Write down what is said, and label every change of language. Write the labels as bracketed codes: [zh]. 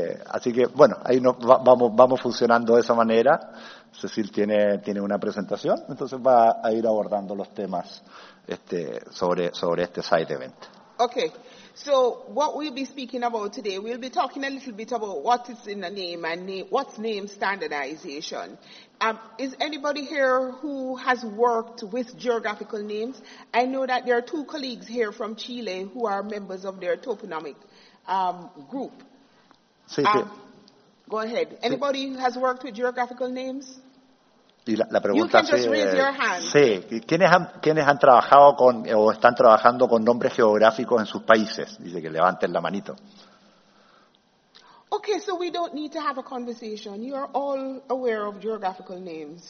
[es] Así que, bueno, ahí nos vamos funcionando de esa manera. Cecil tiene una presentación, entonces va a ir abordando los temas sobre este side event. [en] Okay, so what we'll be speaking about today, we'll be talking a little bit about what is in a name and what's name standardization. Is anybody here who has worked with geographical names? I know that there are two colleagues here from Chile who are members of their toponymic group. [es] Sí, sí. [en] Go ahead. Anybody sí. Has worked with geographical names? [es] Y la pregunta es, sí, ¿quiénes han trabajado con o están trabajando con nombres geográficos en sus países? Dice que levanten la manito. [en] Okay, so we don't need to have a conversation. You are all aware of geographical names.